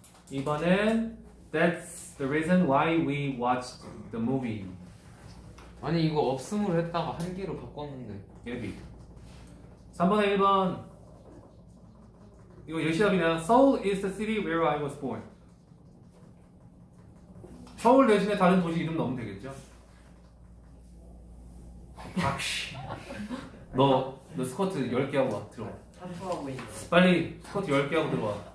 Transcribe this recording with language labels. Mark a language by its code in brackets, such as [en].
[ko] 2번은 [en] That's the reason why we watched the movie. [ko] 아니 이거 없음으로 했다가 한 개로 바꿨는데. 예비. 3번에 1번 이거 예시답이네요. [en] Seoul is the city where I was born. [ko] 서울 대신에 다른 도시 이름 넣으면 되겠죠? 박씨 너 스쿼트 10개 하고 와. 들어와. 탐구하고 있는 빨리 스쿼트 10개 하고 들어와.